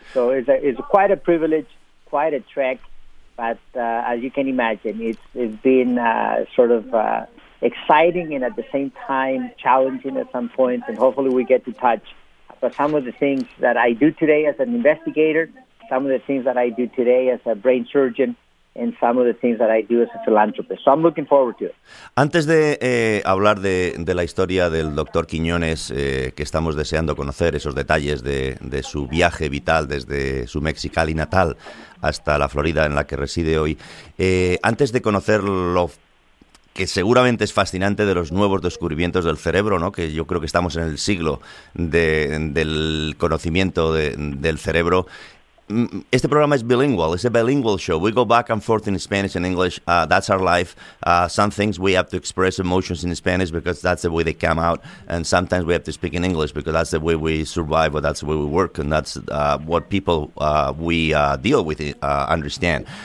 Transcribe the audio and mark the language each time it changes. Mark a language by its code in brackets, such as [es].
[en] So it's quite a privilege, quite a trek, but as you can imagine, it's been sort of exciting and at the same time challenging at some points, and hopefully we get to touch some of the things that I do today as an investigator, some of the things that I do today as a brain surgeon, and some of the things that I do as a philanthropist. So I'm looking forward to it. [es] Antes de hablar de la historia del Dr. Quiñones, que estamos deseando conocer esos detalles de su viaje vital desde su Mexicali natal hasta la Florida en la que reside hoy, antes de conocerlo, que seguramente es fascinante, de los nuevos descubrimientos del cerebro, ¿no? Que yo creo que estamos en el siglo del conocimiento del cerebro. Este programa es bilingual. [en] It's a bilingual show. We go back and forth in Spanish and English. That's our life. Some things we have to express emotions in Spanish because that's the way they come out. And sometimes we have to speak in English because that's the way we survive or that's the way we work. And that's what people we deal with understand.